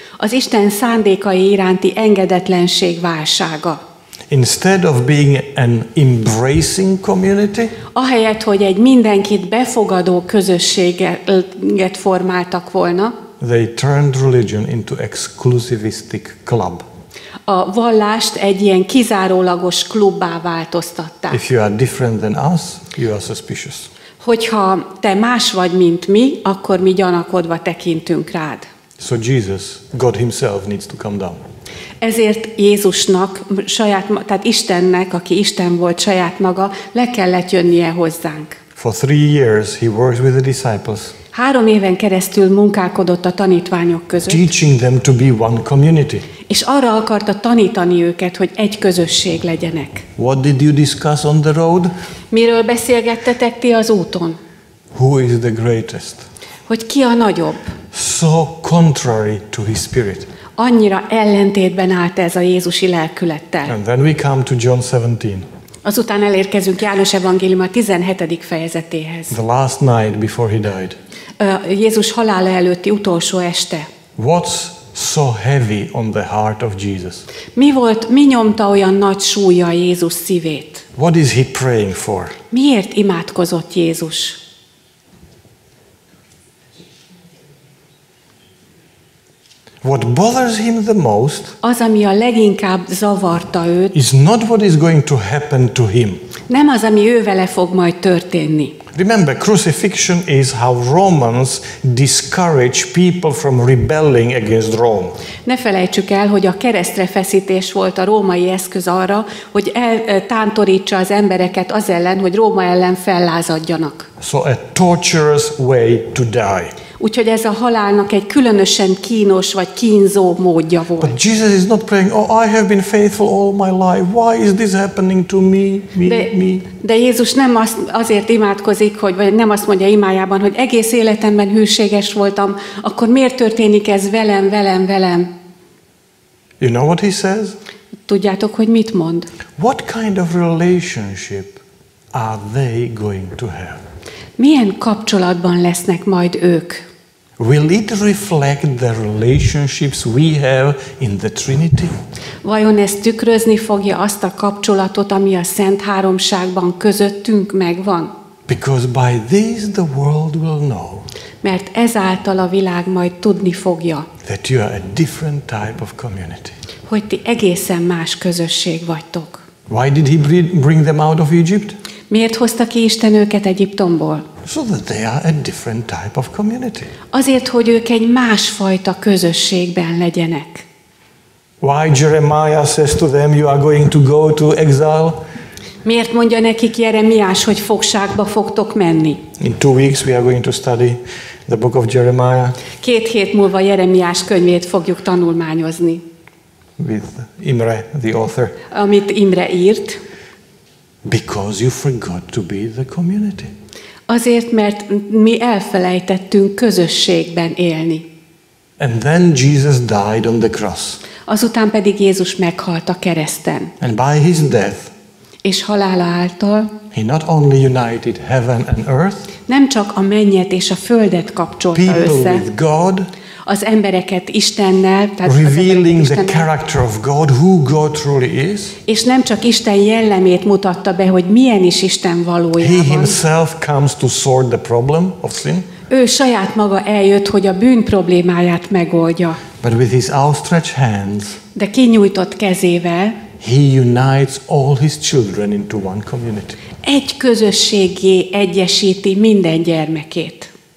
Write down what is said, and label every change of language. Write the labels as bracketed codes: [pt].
[hu] Az Isten szándékai iránti engedetlenség válsága. [en] instead of being an embracing community, [hu] ahelyett, hogy egy mindenkit befogadó közösséget formáltak volna, [en] they turned religion into exclusivistic club. [hu] A vallást egy ilyen kizárólagos klubbá változtatták. [en] If you are different than us, you are suspicious. [hu] Hogyha te más vagy, mint mi, akkor mi gyanakodva tekintünk rád. [en] So Jesus, God himself needs to come down. [hu] Ezért Jézusnak, tehát Istennek, aki Isten volt saját maga, le kellett jönnie hozzánk. [en] For 3 years he worked with the disciples. [hu] 3 éven keresztül munkálkodott a tanítványok között. [en] Teaching them to be one community. [hu] És arra akarta tanítani őket, hogy egy közösség legyenek. [en] What did you discuss on the road? [hu] Miről beszélgettetek ti az úton? [en] Who is the greatest? [hu] Hogy ki a nagyobb? [en] So contrary to his spirit. [hu] Annyira ellentétben állt ez a Jézusi lelkülettel. [en] And then we come to John 17. [hu] Azután elérkezünk János evangélium a 17. fejezetéhez. [en] The last night before he died. [hu] Jézus halála előtti utolsó este. [en] What's so heavy on the heart of Jesus? [hu] Mi volt, mi nyomta olyan nagy súlya Jézus szívét? [en] What is he praying for? [hu] Miért imádkozott Jézus? [en] What bothers him the most? [hu] Az, ami a leginkább zavarta őt. [en] Is not what is going to happen to him. [hu] Nem az, ami ővele fog majd történni. [en] Remember, crucifixion is how Romans discourage people from rebelling against Rome. [hu] Ne felejtsük el, hogy a keresztre feszítés volt a római eszköz arra, hogy eltántorítsa az embereket az ellen, hogy Róma ellen fellázadjanak. [en] So a torturous way to die. [hu] Úgyhogy ez a halálnak egy különösen kínos vagy kínzó módja volt. [en] But Jesus is not praying, oh, I have been faithful all my life. Why is this happening to me? [hu] De Jézus nem azért imádkozik, hogy vagy nem azt mondja imájában, hogy egész életemben hűséges voltam, akkor miért történik ez velem, velem, velem? [en] You know what he says? [hu] Tudjátok, hogy mit mond? [en] What kind of relationship are they going to have? [hu] Milyen kapcsolatban lesznek majd ők? [en] Will it reflect the relationships we have in the Trinity? [hu] Vajon ez tükrözni fogja azt a kapcsolatot, ami a Szent Háromságban közöttünk megvan? [en] Because by this the world will know. [hu] Mert ezáltal a világ majd tudni fogja. [en] That you are a different type of community. [hu] Hogy ti egészen más közösség vagytok. [en] Why did he bring them out of Egypt? [hu] Miért hozta ki Isten őket Egyiptomból? [en] So that they are a different type of community. [hu] Azért, hogy ők egy másfajta közösségben legyenek. [en] Why Jeremiah says to them, you are going to go to exile? [hu] Miért mondja nekik Jeremiás, hogy fogságba fogtok menni? [en] In 2 weeks we are going to study the book of Jeremiah. [hu] 2 hét múlva Jeremiás könyvét fogjuk tanulmányozni. [en] With Imre, the author. [hu] Amit Imre írt. [en] Because you forgot to be the community. [hu] Azért, mert mi elfelejtettünk közösségben élni. [en] And then Jesus died on the cross. [hu] Azután pedig Jézus meghalt a kereszten. [en] And by his death. [hu] És halála által. [en] He not only united heaven and earth. [hu] Nem csak a mennyet és a földet kapcsolta [en] people [hu] össze. [en] People with God. [hu] Az embereket Istennel, tehát [en] revealing the character of God, who God truly is. [hu] És nem csak Isten jellemét mutatta be, hogy milyen is Isten valójában. [en] He himself comes to sort the problem of sin. [hu] Ő saját maga eljött, hogy a bűn problémáját megoldja. [en] But with his outstretched hands. [hu] De kinyújtott kezével. [en] He unites all his children into one community. [hu] Egy közösségé egyesíti minden gyermekét.